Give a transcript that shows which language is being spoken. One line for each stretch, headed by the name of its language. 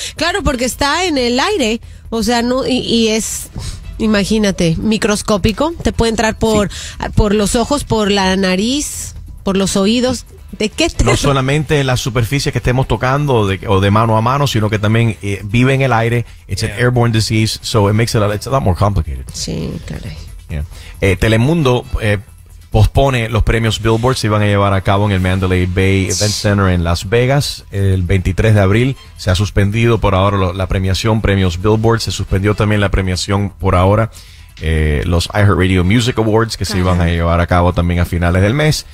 Spanish: Claro, porque está en el aire, o sea, no, y es, imagínate, microscópico, te puede entrar por los ojos, por la nariz, por los oídos. ¿De qué no solamente las superficies que estemos tocando de mano a mano, sino que también vive en el aire.
English: It's an airborne disease, so it makes it's a lot more complicated.
Spanish: Sí, caray. Telemundo pospone los premios Billboard. Se iban a llevar a cabo en el Mandalay Bay Event Center en Las Vegas el 23 de abril. Se ha suspendido por ahora la premiación Premios Billboard. Se suspendió también la premiación por ahora los iHeartRadio Music Awards, que se iban a llevar a cabo también a finales del mes.